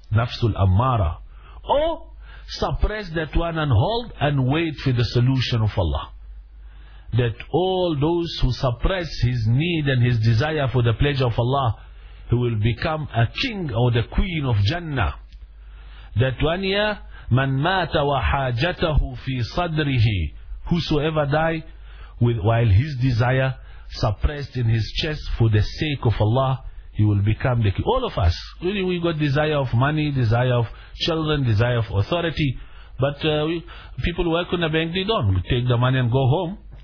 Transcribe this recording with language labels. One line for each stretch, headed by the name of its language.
English: Nafsul Ammara. Or suppress that one and hold and wait for the solution of Allah. That all those who suppress his need and his desire for the pleasure of Allah, he will become a king or the queen of Jannah. That one here,
Arabic: من مات وحاجته في صدره.
English: Whosoever die while his desire suppressed in his chest for the sake of Allah, he will become the king. All of us, really, we got desire of money, desire of children, desire of authority, but people work in the bank, they don't. We take the money and go home.